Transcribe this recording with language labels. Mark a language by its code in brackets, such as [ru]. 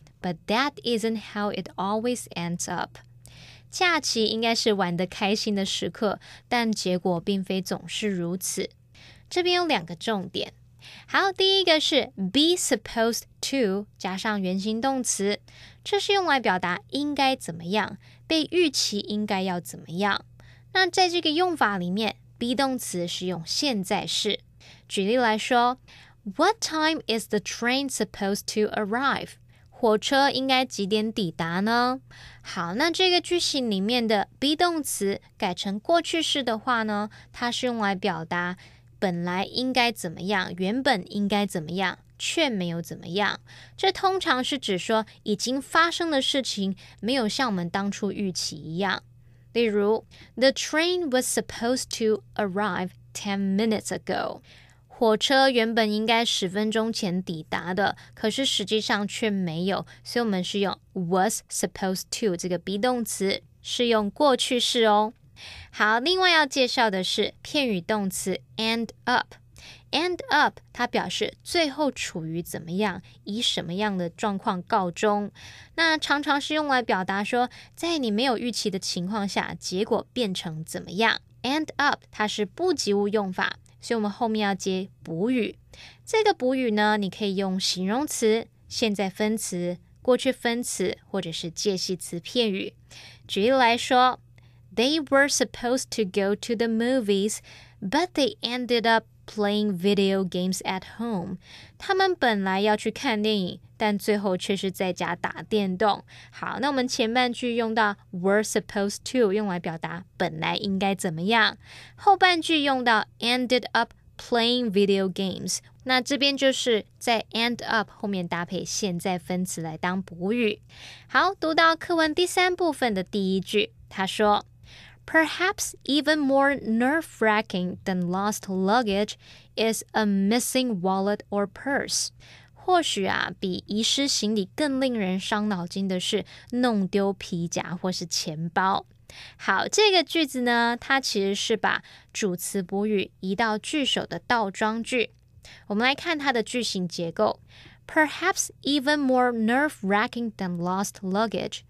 [en] But that isn't how it always ends up. [zh] 假期应该是玩得开心的时刻，但结果并非总是如此。这边有两个重点。好，第一个是 be supposed to 加上原形动词，这是用来表达应该怎么样，被预期应该要怎么样。那在这个用法里面 ，be 动词是用现在式。举例来说 [en] ，What time is the train supposed to arrive? [zh] 火车应该几点抵达呢？好，那这个句型里面的 be 动词改成过去式的话呢，它是用来表达本来应该怎么样，原本应该怎么样，却没有怎么样。这通常是指说已经发生的事情没有像我们当初预期一样。例如 [en] ，The train was supposed to arrive 10 minutes ago. [zh] 火车原本应该十分钟前抵达的，可是实际上却没有，所以我们是用 was supposed to 这个 be 动词，是用过去式哦。好，另外要介绍的是片语动词 end up。 end up 它表示最后处于怎么样，以什么样的状况告终。那常常是用来表达说，在你没有预期的情况下，结果变成怎么样。 end up 它是不及物用法。所以我们后面要接补语，这个补语呢，你可以用形容词、现在分词、过去分词，或者是介系词片语。举例来说 [en] ，They were supposed to go to the movies, but they ended up playing video games at home. [zh] 他们本来要去看电影，但最后却是在家打电动。好，那我们前半句用到 were supposed to 用来表达本来应该怎么样，后半句用到 [en] ended up playing video games。 [zh] 那这边就是在 end up 后面搭配现在分词来当补语。好，读到课文第三部分的第一句，他说 [en] Perhaps even more nerve-wracking than lost luggage is a missing wallet or purse. [zh] 或许啊，比遗失行李更令人伤脑筋的是弄丢皮夹或是钱包。好，这个句子呢，它其实是把主词补语移到句首的倒装句。我们来看它的句型结构。 [en] Perhaps even more nerve-wracking than lost luggage.